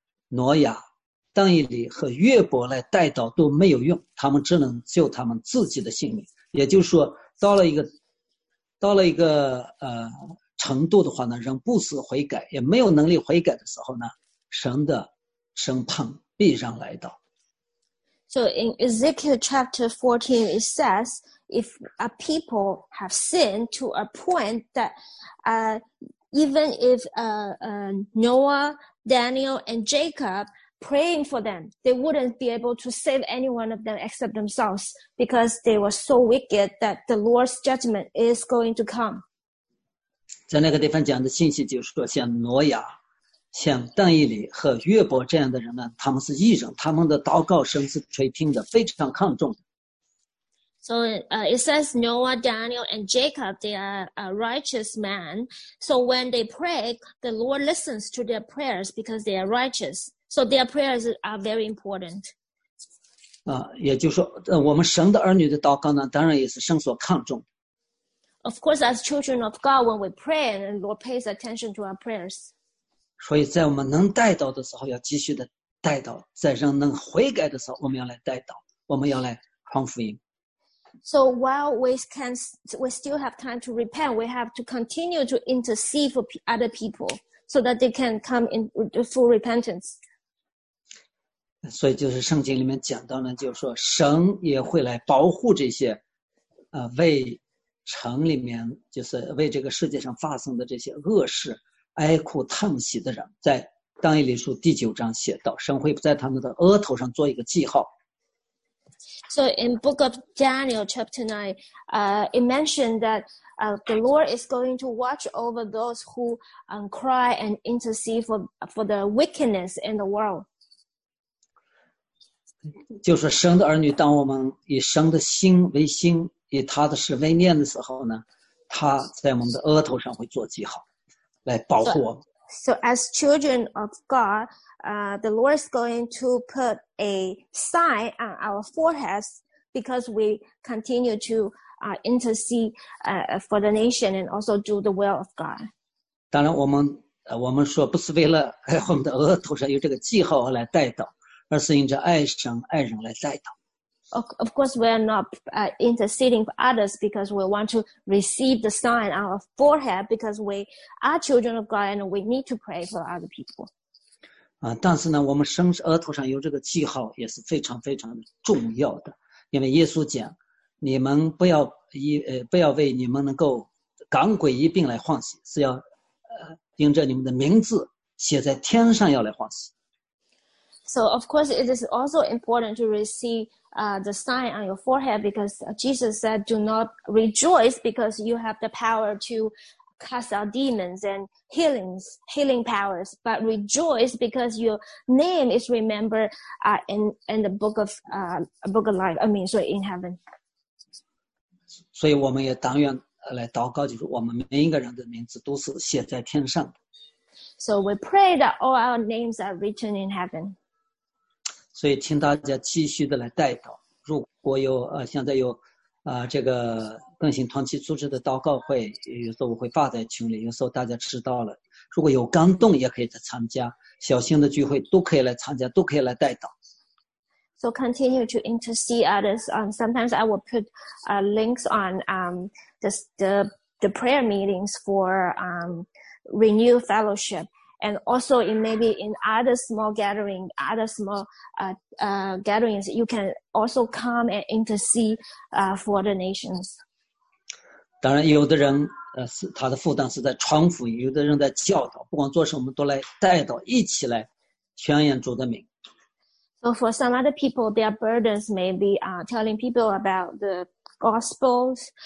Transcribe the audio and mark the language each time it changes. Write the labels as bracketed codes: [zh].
[en] When [zh] 人不悔改的时候，那个在以西结书第14章，就说人罪恶到一个程度，他们不自悔改的时候，即使挪亚。但以理和约伯来代祷都没有用，他们只能救他们自己的性命。也就是说，到了一个程度的话呢，人不思悔改，也没有能力悔改的时候呢，神的审判必然来到。 [en] So in Ezekiel chapter 14, it says, if a people have sinned to a point that even if Noah, Daniel, and Jacob. Praying for them, they wouldn't be able to save any one of them except themselves because they were so wicked that the Lord's judgment is going to come. [zh] 在那个地方讲的信息就是说，像挪亚、像但以理和约伯这样的人呢，他们是义人，他们的祷告声是垂听的，非常看重的。 [en] So, it says Noah, Daniel, and Jacob, they are a righteous man. So when they pray, the Lord listens to their prayers because they are righteous. So their prayers are very important. [zh] 也就是说，我们神的儿女的祷告呢，当然也是神所看重。 [en] Of course, as children of God, when we pray, the Lord pays attention to our prayers. [zh] 所以在我们能代祷的时候，要继续的代祷；在人能悔改的时候，我们要来代祷，我们要来传福音。 [en] So while we still have time to repent, we have to continue to intercede for other people so that they can come in full repentance. [zh] 所以就是圣经里面讲到呢，就是说神也会来保护这些，为城里面就是为这个世界上发生的这些恶事哀哭叹息的人，在但以理书第九章写到，神会在他们的额头上做一个记号。 [en] So in Book of Daniel chapter 9, it mentioned that the Lord is going to watch over those who cry and intercede for the wickedness in the world. [zh] 就是神的儿女，当我们以神的心为心，以他的事为念的时候呢，他在我们的额头上会做记号，来保护我们。 [en] So as children of God, the Lord is going to put a sign on our foreheads because we continue to intercede for the nation and also do the will of God. [zh] 当然我们说不是为了我们的额头上有这个记号来代祷。而是因着爱神爱人来代祷。 [en] Of course, we are not interceding for others because we want to receive the sign on our forehead because we are children of God and we need to pray for other people. [zh] 但是呢，我们身额头上有这个记号也是非常非常重要的，因为耶稣讲，你们不要为你们能够赶鬼一并来欢喜，是要因着你们的名字写在天上要来欢喜。 [en] So, of course, it is also important to receive the sign on your forehead because Jesus said, do not rejoice because you have the power to cast out demons and healing powers, but rejoice because your name is remembered in the book of life, in heaven. [zh] 所以我们也当愿来祷告，就是我们每一个人的名字都是写在天上。 [en] So we pray that all our names are written in heaven. [zh] 所以请大家继续的来代祷，如果现在有这个更新团契组织的祷告会，有时候我会发在群里，有时候大家知道了，如果有感动也可以来参加，小型的聚会都可以来参加，都可以来代祷。 [en] So continue to intercede others. Sometimes I will put links on the prayer meetings for renew fellowship. And also in maybe in other small gathering, other small gatherings, you can also come and intercede for the nations. [zh] 当然有的人他的负担是在传福音，有的人在教导，不管做什么都来带到一起来宣扬主的名。 [en] So for some other people, their burdens may be telling people about the gospels.